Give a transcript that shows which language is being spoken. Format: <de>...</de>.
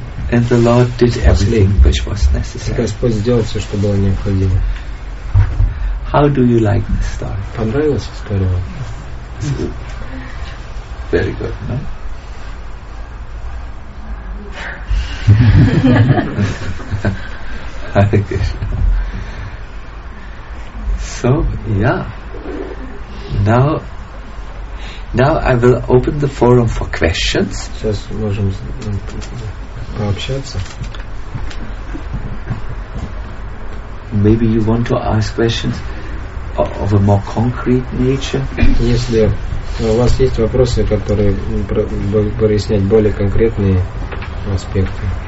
<en>and the Lord did everything which was necessary.</en> <ru>Господь сделал все, что было необходимо.</ru> <en>How do you like this story?</en> <ru>Понравилась история?</ru> <en>Very good, no? So, yeah. Now I will open the forum for questions.</en> <ru>Сейчас можем пообщаться.</ru> <en>Maybe you want to ask questions of a more concrete nature.</en> <ru>Если у вас есть вопросы, которые прояснять более конкретные аспекты.</ru>